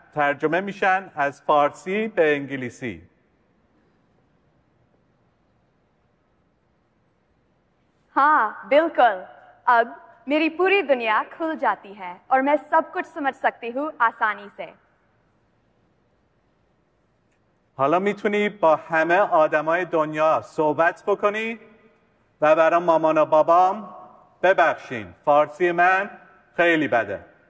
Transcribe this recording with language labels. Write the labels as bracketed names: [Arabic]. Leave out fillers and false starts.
[Persian] ترجمه میشن از فارسی به انگلیسی. [Urdu] ہاں بالکل اب میری پوری دنیا کھل جاتی ہے اور میں سب کچھ سمجھ سکتی ہوں آسانی سے. [Persian] حالا میتونی با همه آدمای دنیا صحبت بکنی و برای مامان و بابام ببخشین فارسی من خیلی بده.